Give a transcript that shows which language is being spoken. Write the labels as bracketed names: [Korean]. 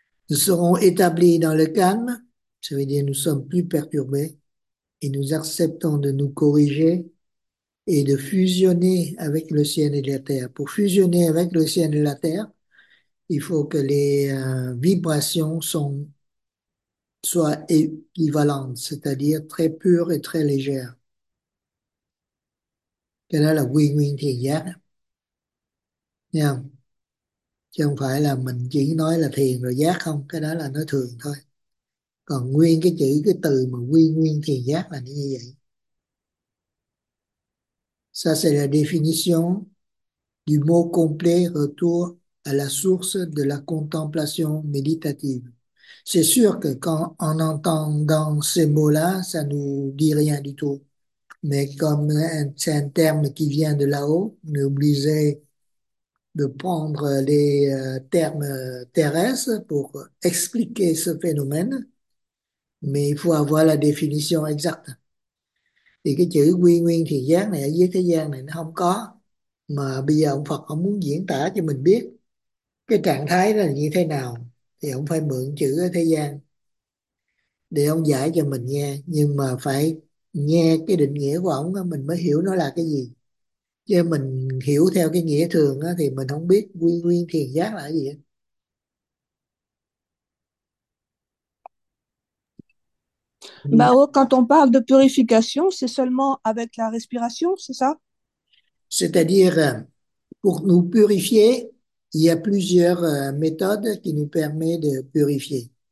[French] Nous serons établis dans le calme, ça veut dire nous sommes plus perturbés et nous acceptons de nous corriger et de fusionner avec le ciel et la terre. Pour fusionner avec le ciel et la terre, il faut que les vibrations soient équivalentes, c'est-à-dire très pures et très légères. [Vietnamese] Cái đó là quy nguyên thiền giác. Nha. Yeah. Chứ không phải là mình chỉ nói là thiền rồi giác không, cái đó là nói thường thôi. Còn nguyên cái chữ, cái từ mà quy nguyên thiền giác là như vậy. [French] Ça, c'est la définition du mot complet retour à la source de la contemplation méditative. C'est sûr que quand en entendant ces mots-là, ça ne nous dit rien du tout. Mais comme c'est un terme qui vient de là-haut, on est obligé de prendre les termes terrestres pour expliquer ce phénomène. Mais il faut avoir la définition exacte. [Vietnamese] Thì cái chữ quy nguyên thiền giác này ở dưới thế gian này nó không có, mà bây giờ ông Phật ông muốn diễn tả cho mình biết cái trạng thái đó là như thế nào thì ông phải mượn chữ ở thế gian để ông giải cho mình nghe, nhưng mà phải nghe cái định nghĩa của ông đó, mình mới hiểu nó là cái gì. Chứ mình hiểu theo cái nghĩa thường đó, thì mình không biết quy nguyên thiền giác là cái gì. [French] Bah, quand on parle de purification, c'est seulement avec la respiration, c'est ça? C'est-à-dire, pour nous purifier, il y a plusieurs méthodes qui nous permettent de purifier.